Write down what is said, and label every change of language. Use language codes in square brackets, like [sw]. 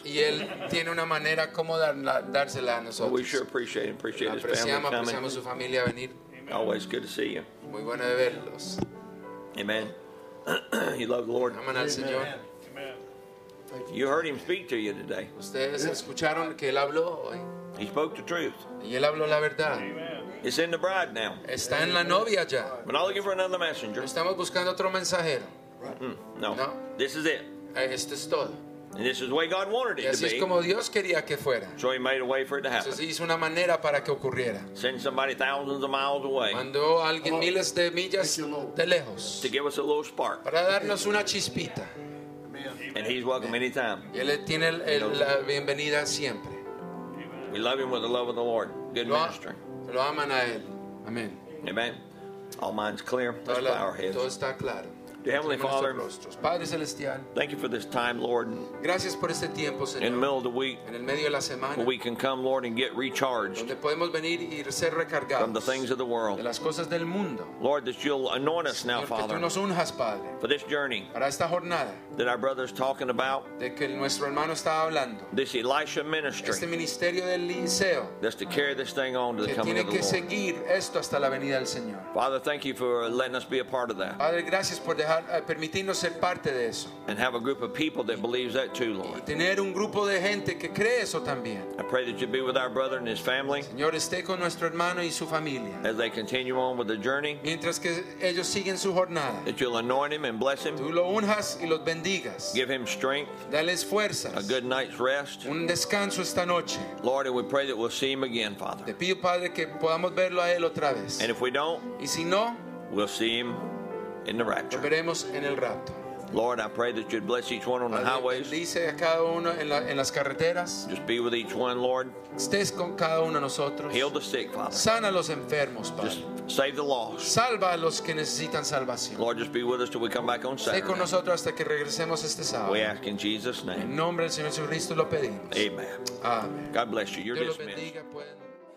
[es] Y él tiene una manera como dársela a nosotros. [en] Well, we sure appreciate his family coming. [es] Apreciamos su familia venir. [en] Always good to see you. [es] Muy bueno de verlos. [en] Amen. You love the Lord. [es] Amen, Señor. [en] You heard him speak to you today. [es] Ustedes escucharon que él habló hoy. [en] He spoke the truth. [es] Y él habló la verdad. Amen. [en] It's in the bride now. [es] Está en la novia ya. [en] We're not looking for another messenger. [es] Estamos buscando otro mensajero. [en] No. No. This is it. [es] Esto es todo. [en] And this is the way God wanted it [es] y así [en] to be. [es] Es como Dios quería que fuera. [en] So he made a way for it to happen. [es] Entonces hizo una manera para que ocurriera. [en] Send somebody thousands of miles away. [es] Mandó a alguien miles de millas de lejos. [en] To give us a little spark. [es] Para darnos una chispita. [en] And he's welcome anytime. [es] Y él tiene la bienvenida siempre. [en] We love him with the love of the Lord. Good minister. [es] Lo aman a él. Amen. [en] Amen. All minds clear. Let's bow our heads. [es] Todo está claro. [en] Dear Heavenly Father, [es] Padre Celestial, [en] thank you for this time, Lord. [es] Gracias por este tiempo, Señor, [en] in the middle of the week, [es] en el medio de la semana, [en] where we can come, Lord, and get recharged [es] donde podemos venir y ser recargados [en] from the things of the world. [es] De las cosas del mundo. [en] Lord, that you'll anoint us [es] Señor, [en] now, Father, [es] que tú nos unjas, Padre, [en] for this journey [es] para esta jornada, [en] that our brother's talking about, [es] de que nuestro hermano está hablando, [en] this Elisha ministry, [es] este ministerio del Eliseo, [en] that's to carry this thing on to the coming tiene que of the [es] seguir [en] Lord. [es] Esto hasta la venida del Señor. [en] Father, thank you for letting us be a part of that. [es] Padre, gracias por permitirnos ser parte de eso. [en] And have a group of people that believes that too, Lord. [es] Y tener un grupo de gente que cree eso también. [en] I pray that you be with our brother and his family. [es] Señor, esté con nuestro hermano y su familia. [en] As they continue on with the journey. [es] Mientras que ellos siguen su jornada. [en] That you'll anoint him and bless him. [es] Tú lo unjas y los bendigas. [en] Give him strength. [es] Dales fuerzas. [en] A good night's rest. [es] Un descanso esta noche. [en] Lord, and we pray that we'll see him again, Father. [es] Te pido, Padre, que podamos verlo a él otra vez. [en] And if we don't, [es] y si no, [en] we'll see him in the rapture. [es] Lo veremos en el rapto. [en] Lord, I pray that you'd bless each one on the highways. [es] Bendice a cada uno en las carreteras. [en] Just be with each one, Lord. [es] Estés con cada uno de nosotros. [en] Heal the sick, Father. [es] Sana los enfermos, Padre. [en] Just save the lost. [es] Salva a los que necesitan salvación. [en] Lord, just be with us till we come back on Saturday. [es] Esté con nosotros hasta que regresemos este sábado. [en] We ask in Jesus' name. [es] En nombre del Señor Jesucristo lo pedimos. Amen. Amen. [en] God bless you. You're dismissed.